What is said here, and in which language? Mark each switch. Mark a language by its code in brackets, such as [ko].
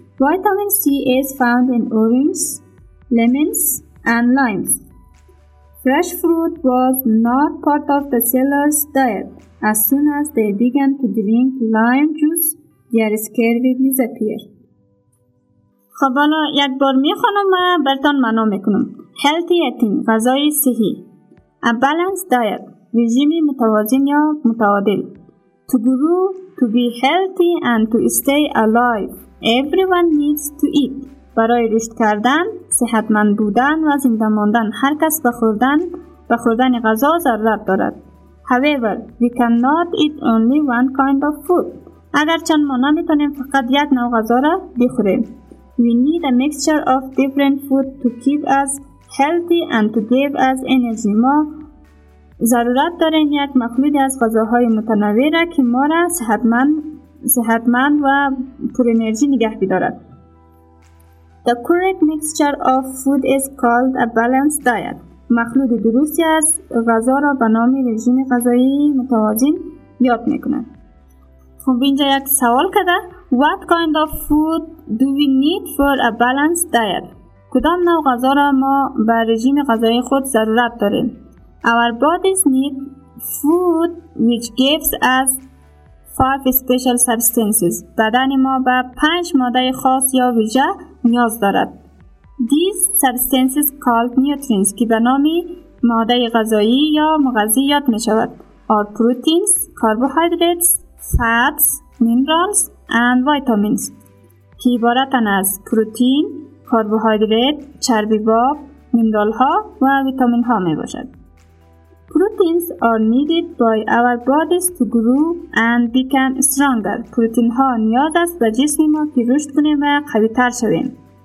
[en] Vitamin C is found in oranges, lemons, and limes. Fresh fruit was not part of the sailors' diet. As soon as they began to drink lime juice, their scurvy disappeared. [fa] خب حالا یک بار میخونم و برتان معنا میکنم. [en] Healthy eating, [fa] غذای صحی. [en] A balanced diet, [fa] رژیم متوازن یا متعادل. [en] To grow, to be healthy and to stay alive. Everyone needs to eat. [fa] برای رشد کردن، صحتمند بودن و زنده ماندن، هر کس بخوردن و خوردن غذا ضرورت دارد. [en] However, we cannot eat only one kind of food. [fa] اگرچند ما نمیتونیم فقط یک نوع غذا را بخوریم. [en] We need a mixture of different food to keep us healthy and to give us energy. [fa] ما ضرورت داریم یک مخلوط از غذاهای متنوع را که ما را صحتمند و پر انرژی نگه بدارد. [en] The correct mixture of food is called a balanced diet. [fa] مخلوط درستی از غذا را به نام رژیم غذایی متوازن یاد میکنند. خب اینجا یک سوال کرده. [en] What kind of food do we need for a balanced diet? [fa] کدام نوع غذا را ما به رژیم غذایی خود ضرورت داریم؟ [en] Our bodies need food which gives us 5 special substances. [fa] بدن ما به 5 ماده خاص یا ویژه نیاز دارد. [en] These substances called nutrients [fa] که به نام ماده غذایی یا مغذی یاد می شود. [en] Are proteins, carbohydrates, fats, minerals and vitamins. [fa] که عبارتن از پروتین، کربوهیدرات، چربی باب، مینرال ها و ویتامین ها می باشد. [en] Proteins are needed by our bodies to grow and become stronger. [fa] پروتین ها نیاز است به جسم ما که رشد کنه و قوی تر شویم.